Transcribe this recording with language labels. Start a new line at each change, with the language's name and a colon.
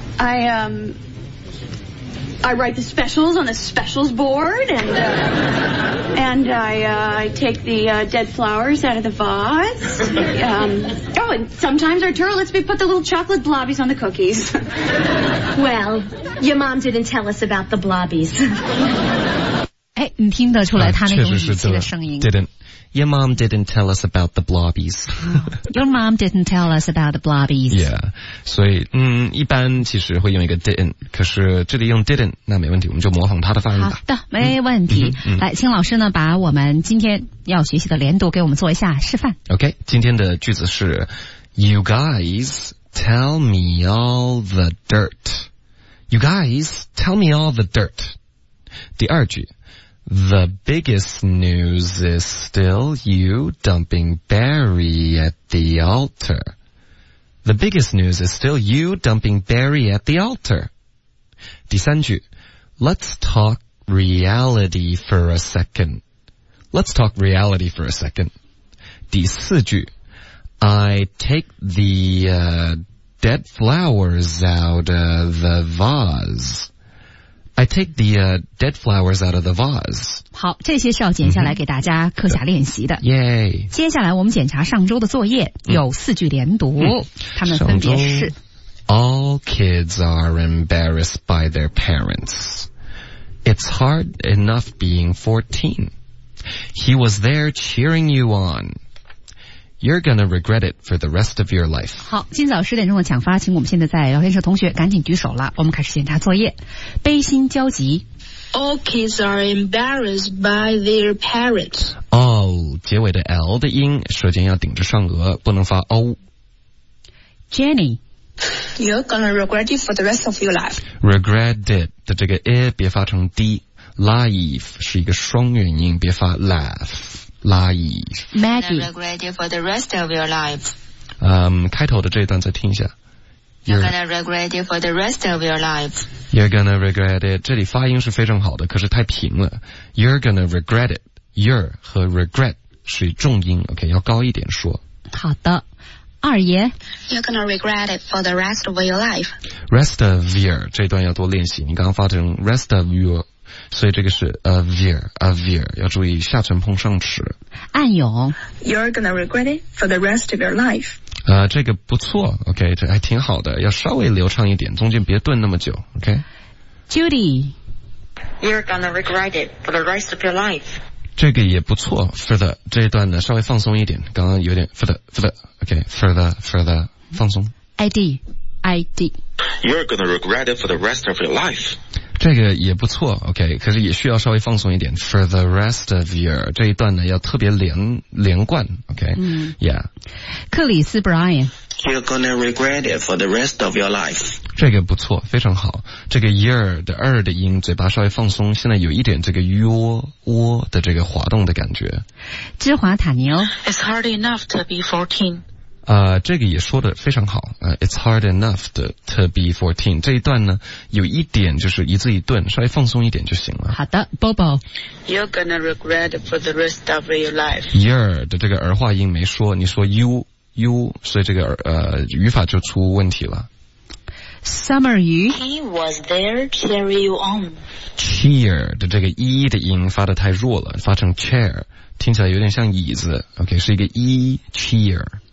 English: I mean, I write the specials on the specials board, and I take the dead flowers out of the vase. And sometimes Arturo lets me put the little chocolate blobbies on the cookies. Well, your mom didn't tell us about the blobbies.
Chinese: 你听得出来他那种语气的声音。
English: Didn't. Your mom didn't tell us about the blobbies. Your mom didn't tell us about the blobbies. Yeah.
Chinese: 所以一般其实会用一个 didn't, 可是这里用 didn't, 那没问题，我们就模仿他的发音吧。好的，没问题。来，请老师呢把我们今天要学习的连读给我们做一下示范。 OK, 今天的句子是
English: You guys tell me all the dirt. You guys tell me all the dirt.
Chinese: 第二句。
English: The biggest news is still you dumping Barry at the altar. The biggest news is still you dumping Barry at the altar.
Chinese: 第三句
English: Let's talk reality for a second. Let's talk reality for a second.
Chinese: 第四句
English: I take the dead flowers out of the vase. I take the dead flowers out of the vase.
Chinese: 好，这些是要剪下来给大家课下练习的。
English: Yay.
Chinese: 接下来我们检查上周的作业，有四句连读，他们分别是
English: All kids are embarrassed by their parents. It's hard enough being 14. He was there cheering you on. You're gonna regret it for the rest of your life.
Chinese: 好，今早十点钟的抢发，请我们现在在聊天室同学赶紧举手了。我们开始检查作业。悲心焦急。
English: All kids are embarrassed by their parents.
Chinese: 哦，结尾的 L 的音，舌尖要顶着上颚，不能发 O。
English: Jenny, you're gonna regret it for the rest of your life.
Chinese: Regret it 的这个 I 别发成 D. Life 是一个双元音，别发 laugh。Life.
English: Maggie. You're gonna regret it for the rest of your life.
Chinese: 开头的这一段再听一下。
English: You're gonna regret it for the rest of your life. You're gonna regret it.
Chinese: 这里发音是非常好的，可是太平了。
English: You're gonna regret it.
Chinese: You're 和 regret 是重音 ,OK, 要高一点说。好的。二爷。
English: You're gonna regret it for the rest of your life. Rest of your,
Chinese: 这段要多练习。你刚刚发成 rest of your,所以这个是 a veer 要注意下唇碰上齿。暗涌
English: You're gonna regret it for the rest of your life.
Chinese: 这个不错 OK, 这还挺好的，要稍微流畅一点，中间别顿那么久 OK.
English: Judy. You're gonna regret it for the rest of your life.
Chinese: 这个也不错 for the, 这一段呢稍微放松一点，刚刚有点 for the, OK, for the, 放松。
English: ID. You're gonna regret it for the rest of your life.
Chinese: 这个也不错 ,OK, 可是也需要稍微放松一点 ,
English: for the rest of your,
Chinese: 这一段呢要特别连贯 ,OK,、yeah. 克里斯 Brian,
English: You're gonna regret it for the rest of your life.
Chinese: 这个不错，非常好。这个 year 的二的音嘴巴稍微放松，现在有一点这个窝的这个滑动的感觉。芝华塔尼欧
English: It's hard enough to be 14.
Chinese: 这个也说得非常好
English: it's hard enough to be 14.
Chinese: 这一段呢有一点就是一字一顿，稍微放松一点就行了。好的 ,Bobo。
English: You're gonna regret for the rest of your life.
Chinese: Year 的这个儿化音没说，你说 you, 所以这个语法就出问题了。 Summer 鱼。
English: He was there cheer you on.
Chinese: Cheer 的这个 e 的音发得太弱了，发成 chair, 听起来有点像椅子 ,OK, 是一个 e, cheer。